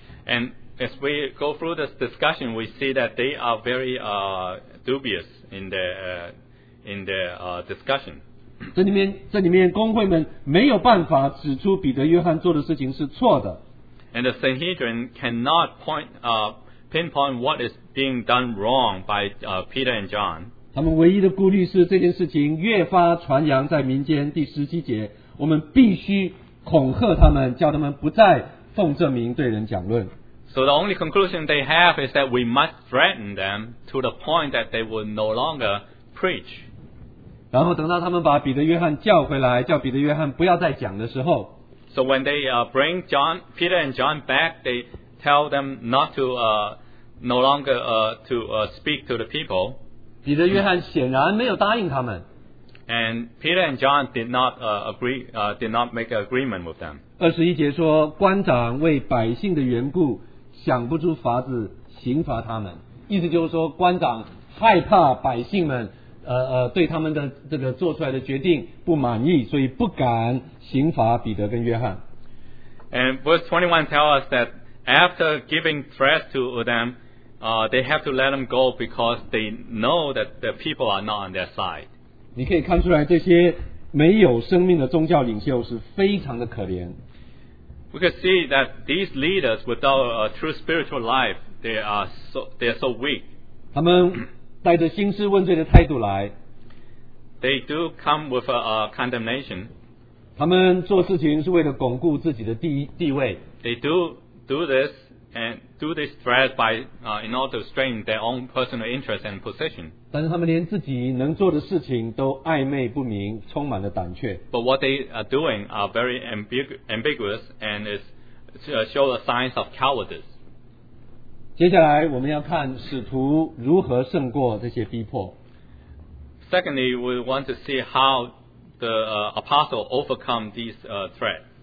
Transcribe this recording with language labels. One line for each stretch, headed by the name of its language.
English: And as we go through this discussion, we see that they are very dubious in their discussion.
Chinese: 这里面公会们没有办法指出彼得约翰做的事情是错的。
English: And the Sanhedrin cannot pinpoint what is being done wrong by Peter and John.
Chinese: 他们唯一的顾虑是这件事情越发传扬在民间。第十七节，我们必须恐吓他们，叫他们不再奉这名对人讲论。
English: So the only conclusion they have is that we must threaten them to the point that they will no longer preach.
Chinese: 然后等到他们把彼得约翰叫回来，叫彼得约翰不要再讲的时候。
English: So when they bring John, Peter and John back, they tell them not to no longer to speak to the people.
Chinese: 彼得约翰显然没有答应他们。
English: And Peter and John did not make an agreement with them.
Chinese: 二十一节说，官长为百姓的缘故想不出法子刑罚他们，意思就是说官长害怕百姓们对他们的这个做出来的决定不满意，所以不敢刑罚彼得跟约翰。
English: And verse 21 tells us that after giving threats to them, they have to let them go because they know that the people are not on their side.
Chinese: 你可以看出来这些没有生命的宗教领袖是非常的可怜。
English: We can see that these leaders without a true spiritual life, they are so weak.
Chinese: 他们带着兴师问罪的态度来。
English: They do come with a condemnation.
Chinese: 他们做事情是为了巩固自己的地位。
English: They do this threat by in order to strengthen their own personal interest and position.
Chinese: 但是他们连自己能做的事情都暧昧不明，充满了胆怯。
English: But what they are doing are very ambiguous and is show the signs of cowardice.
Chinese: 接下来我们要看使徒如何胜过这些逼迫。
English: Secondly, we want to see how the apostle overcome these threats.